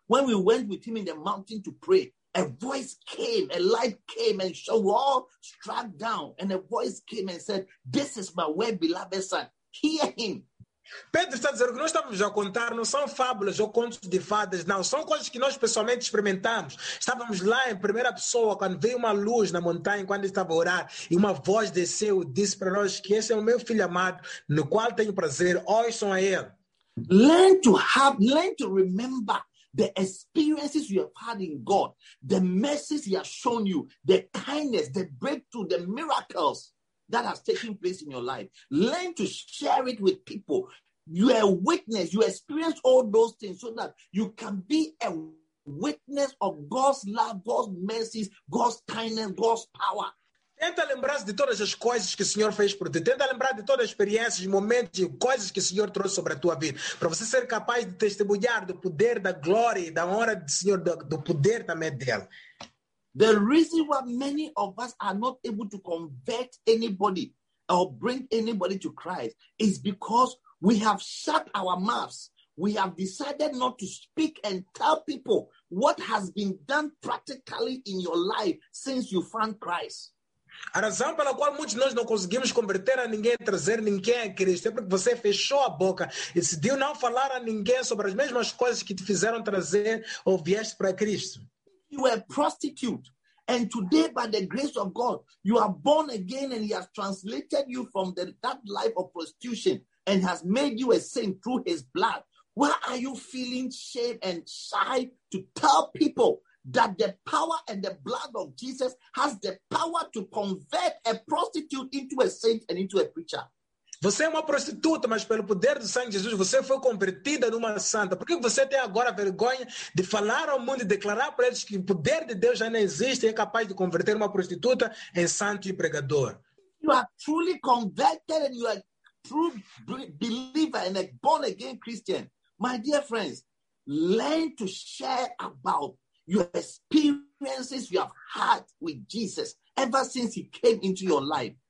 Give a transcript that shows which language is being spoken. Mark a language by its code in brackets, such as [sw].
[en] When we went with him in the mountain to pray, a voice came, a light came, and so we all struck down. And a voice came and said, 'This is my well-beloved son. Hear him.'" [pt] Pedro está dizendo que nós estávamos a contar não são fábulas ou contos de fadas, não. São coisas que nós pessoalmente experimentamos. Estávamos lá em primeira pessoa, quando veio uma luz na montanha, quando estava a orar, e uma voz desceu e disse para nós que esse é o meu filho amado, no qual tenho prazer. Ouçam a ele. [en] Learn to remember the experiences you have had in God, the mercies he has shown you, the kindness, the breakthrough, the miracles that has taken place in your life. Learn to share it with people. You are a witness. You experience all those things so that you can be a witness of God's love, God's mercies, God's kindness, God's power. [pt] Tenta lembrar-se de todas as coisas que o Senhor fez por ti. Tenta lembrar de todas as experiências, momentos e coisas que o Senhor trouxe sobre a tua vida. Para você ser capaz de testemunhar do poder, da glória e da honra do Senhor, do poder também dele. [en] The reason why many of us are not able to convert anybody or bring anybody to Christ is because we have shut our mouths. We have decided not to speak and tell people what has been done practically in your life since you found Christ. [pt] A razão pela qual muitos de nós não conseguimos converter a ninguém, trazer ninguém a Cristo, é porque você fechou a boca e decidiu não falar a ninguém sobre as mesmas coisas que te fizeram trazer ou vieste para Cristo. [en] You were a prostitute, and today, by the grace of God, you are born again, and he has translated you from that life of prostitution and has made you a saint through his blood. Why are you feeling shame and shy to tell people that the power and the blood of Jesus has the power to convert a prostitute into a saint and into a preacher? [pt] Você é uma prostituta, mas pelo poder do sangue de Jesus, você foi convertida numa santa. Por que você tem agora vergonha de falar ao mundo e declarar para eles que o poder de Deus já não existe e é capaz de converter uma prostituta em santo e pregador? [en] You are truly converted and you are a true believer and a born again Christian. My dear friends, learn to share about your experiences you have had with Jesus ever since he came into your life.